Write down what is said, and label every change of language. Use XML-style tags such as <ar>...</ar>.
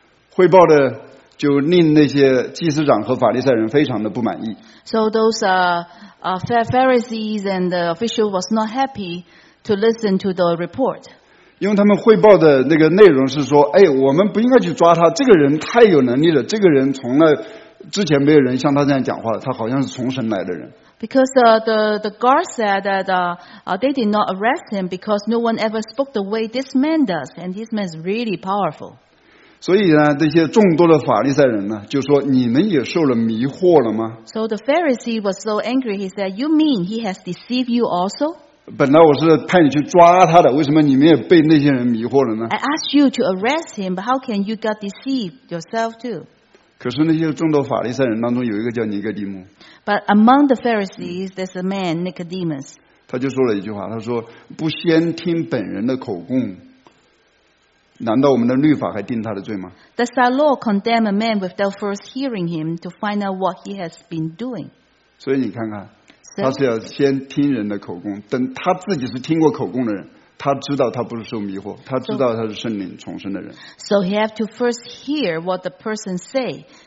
<zh>汇报的。就令那些祭司长和法利赛人非常的不满意。</zh> <en>So those Pharisees and the official was not happy to listen to the report.</en> <zh>因为他们汇报的那个内容是说，哎，我们不应该去抓他，这个人太有能力了，这个人从来之前没有人像他这样讲话，他好像是从神来的人。</zh> <en>Because the guard said that they did not arrest him because no one ever spoke the way this man does, and this man is really powerful.</en> <zh>所以呢，这些众多的法利赛人呢，就说：“你们也受了迷惑了吗</zh> <en>？”So the Pharisee was so angry. He said, "You mean he has deceived you also?"</en> <zh>本来我是派你去抓他的，为什么你们也被那些人迷惑了呢</zh> <en>？I asked you to arrest him, but how can you got deceived yourself too?</en> <zh>可是那些众多法利赛人当中有一个叫尼哥底母。</zh> <en>But among the Pharisees, there's a man, Nicodemus.</en> <zh>他就说了一句话，他说：“不先听本人的口供。” 难道我们的律法还定他的罪吗</zh> <en>？Does our law condemn a man without first hearing him to find out what he has been doing？</en> <zh>所以你看看，他是要先听人的口供，等他自己是听过口供的人，他知道他不是受迷惑，他知道他是圣灵重生的人。</zh> <en>So he have to first hear what the person say.</en>